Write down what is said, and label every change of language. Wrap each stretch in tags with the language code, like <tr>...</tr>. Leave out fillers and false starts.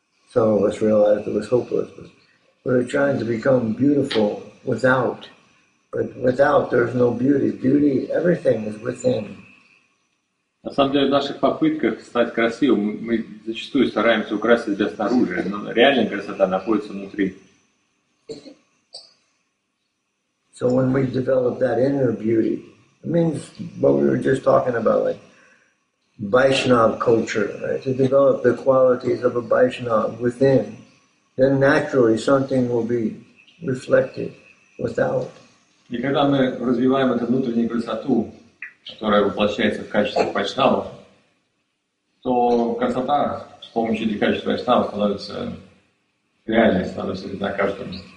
<en>Some of us realized it was hopeless, but we're trying to become beautiful without. But without, there's no beauty. Beauty, everything is within.</en> <ru>На самом деле, в наших попытках стать красивым, мы зачастую стараемся украсить себя снаружи, но реальная красота находится внутри.</ru> <en>So when we develop that inner beauty, the means what we were just talking about, like Vaishnava culture, right? To develop the qualities of a Vaishnava within, then naturally something will be reflected without.</en> <ru>И когда мы развиваем эту внутреннюю красоту, которая воплощается в качестве Вайшнава, то красота с помощью этих качеств Вайшнава становится реальной, становится видна каждому.</ru>